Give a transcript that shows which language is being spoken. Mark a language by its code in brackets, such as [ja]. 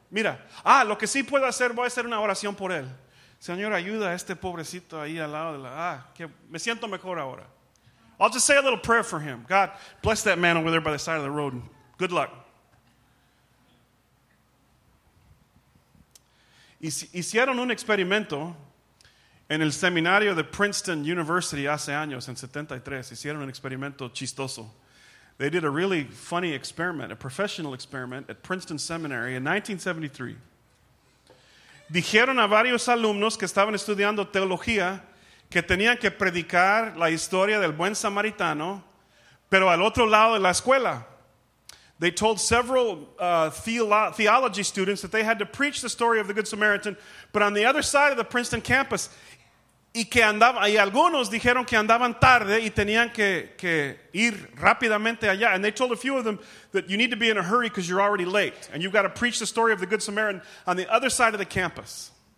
[es] Mira, lo que sí puedo hacer, voy a hacer una oración por él. Señor, ayuda a este pobrecito ahí al lado de la... que me siento mejor ahora. [en] I'll just say a little prayer for him. God, bless that man over there by the side of the road. Good luck. [es] Hicieron un experimento en el seminario de Princeton University hace años, en 73. Hicieron un experimento chistoso. [en] They did a really funny experiment, a professional experiment, at Princeton Seminary in 1973. [es] Dijeron a varios alumnos que estaban estudiando teología que tenían que predicar la historia del buen samaritano, pero al otro lado de la escuela. [en] They told several theology students that they had to preach the story of the Good Samaritan, but on the other side of the Princeton campus. [es] Y que andaban, y algunos dijeron que andaban tarde y tenían que ir rápidamente allá. [en] And they told a few of them that you need to be in a hurry because you're already late, and you've got to preach the story of the Good Samaritan on the other side of the campus.